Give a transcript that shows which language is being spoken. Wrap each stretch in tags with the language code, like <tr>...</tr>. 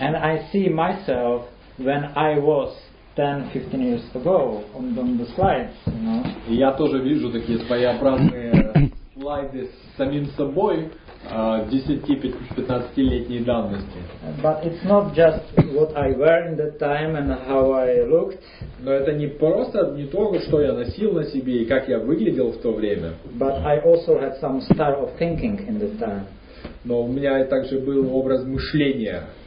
<en>And I see myself when I was 10-15 years ago on the slides, you know.</en> <ru>И я тоже вижу такие своеобразные слайды с самим собой 10-15-летней давности.</ru> <en>But it's not just what I wear in that time and how I looked.</en> <ru>Но это не просто не то, что я носил на себе и как я выглядел в то время.</ru> <en>But I also had some style of thinking in that time.</en> <ru>Но у меня также был образ мышления.</ru>